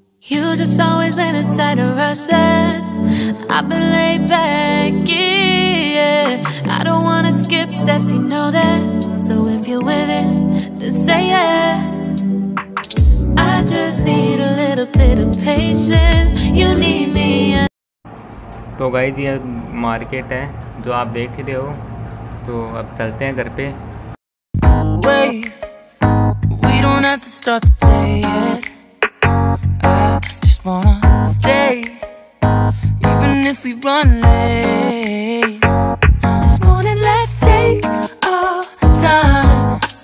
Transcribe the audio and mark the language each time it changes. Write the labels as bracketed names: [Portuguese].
[English] You just always been a tighter rush that I've been laid back, yeah. I don't wanna skip steps, you know that. So if you're with it, then say yeah. I just need a little bit of patience. You need me. [Hindi] तो guys ये market है जो आप देख रहे हो, तो अब चलते हैं घर पे. [English] Wait, we don't have to start the day yet. Wanna stay, even if we run late. This morning, let's take our time.